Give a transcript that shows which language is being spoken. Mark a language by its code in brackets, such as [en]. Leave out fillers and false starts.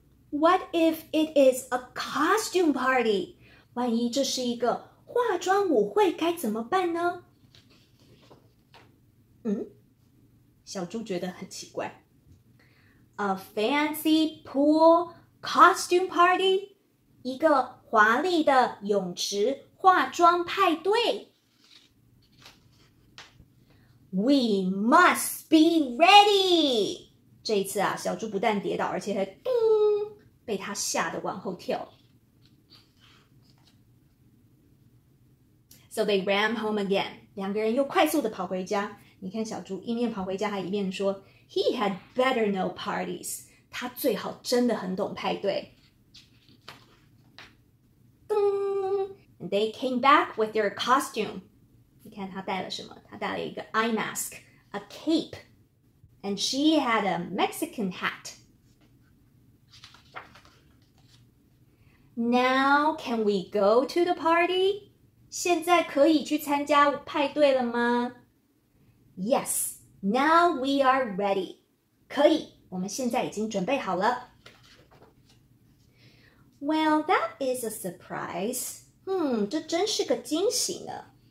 [en] What if it is a costume party? [zh] 万一这是一个化妆舞会该怎么办呢?嗯? 小猪觉得很奇怪。 [en] A fancy pool costume party? [zh] 一个华丽的泳池化妆派对。 [en] We must be ready! [zh] 这一次啊，小猪不但跌倒，而且还咚，被他吓得往后跳。 [en] So they ran home again. [zh] 两个人又快速地跑回家。你看小猪一面跑回家还一面说 [en] He had better know parties. [zh] 他最好真的很懂派对。 [en] 噔 And they came back with their costume. [zh] 你看他带了什么?他带了一个 [en] eye mask, a cape. And she had a Mexican hat. Now can we go to the party? [zh] 现在可以去参加派对了吗? [en] Yes, now we are ready. [zh] 可以，我们现在已经准备好了。 [en] Well, that is a surprise. [zh] 这真是个惊喜呢。